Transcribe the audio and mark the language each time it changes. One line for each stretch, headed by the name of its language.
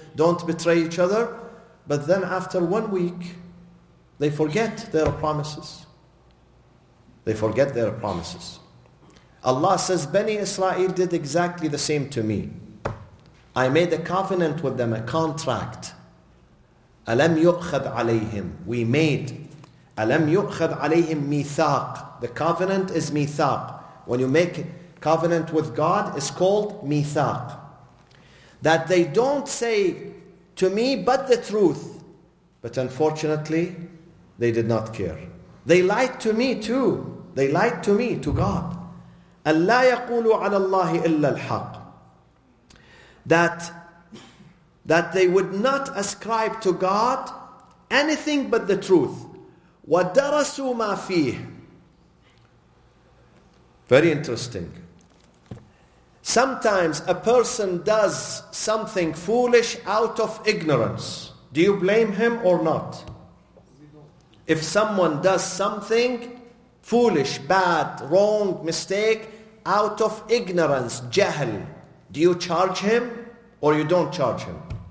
English: Don't betray each other. But then after 1 week, they forget their promises. They forget their promises. Allah says, Bani Israel did exactly the same to me. I made a covenant with them, a contract.
Arabic: أَلَمْ يُؤْخَذْ عَلَيْهِمْ
English: We made
Arabic: أَلَمْ يُؤْخَذْ عَلَيْهِمْ مِيثَاقٌ
English: The covenant is
Arabic: ميثاق.
English: When you make covenant with God, it's called ميثاق. That they don't say to me but the truth. But unfortunately, they did not care. They lied to me too. They lied to me, to God.
Arabic: أَلَّا يَقُولُوا عَلَى اللَّهِ إِلَّا الْحَقِّ
English: That they would not ascribe to God anything but the truth.
Arabic: وَدَرَسُوا مَا فِيهِ
English: Very interesting. Sometimes a person does something foolish out of ignorance. Do you blame him or not? If someone does something foolish, bad, wrong, mistake, out of ignorance, jahl, do you charge him or you don't charge him?